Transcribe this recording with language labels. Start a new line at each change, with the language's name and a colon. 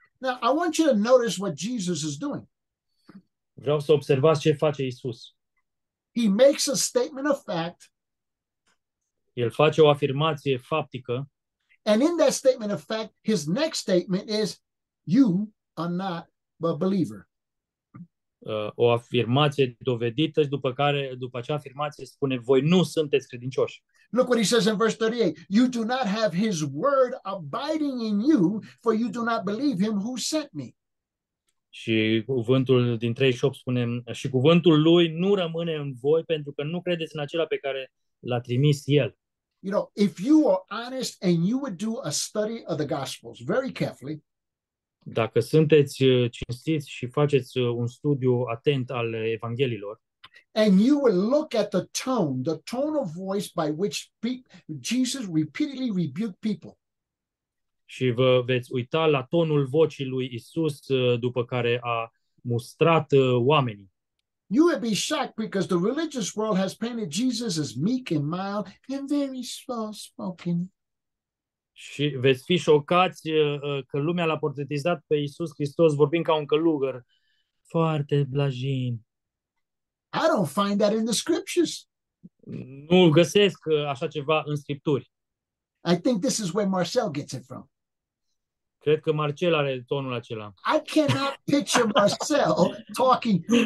English: Now, I want you to notice what Jesus is doing.
Romanian: Vreau să observați ce face Isus.
English: He makes a statement of fact.
Romanian: El face o afirmație faptică.
English: And in that statement of fact, his next statement is, "You are not a believer."
Romanian: O afirmație dovedită, după acea afirmație spune, voi nu sunteți credincioși.
English: Look what he says in verse 38. You do not have his word abiding in you, for you do not believe him who sent me.
Romanian: Și cuvântul din 38 spune, și cuvântul lui nu rămâne în voi, pentru că nu credeți în acela pe care l-a trimis el.
English: You know, if you are honest and you would do a study of the Gospels very carefully,
Romanian: dacă sunteți cinstiți și faceți un studiu atent al evangheliilor,
English: and you will look at the tone of voice by which Jesus repeatedly rebuked people.
Romanian: Și vă veți uita la tonul vocii lui Isus după care a mustrat oamenii.
English: You would be shocked because the religious world has painted Jesus as meek and mild and very soft-spoken.
Romanian: Și veți fi șocați că lumea l-a portretizat pe Iisus Hristos vorbind ca un călugăr foarte blajin.
English: I don't find that in the scriptures.
Romanian: Nu găsesc așa ceva în scripturi.
English: I think this is where Marcel gets it from.
Romanian: Cred că Marcel are tonul acela.
English: I cannot picture Marcel talking.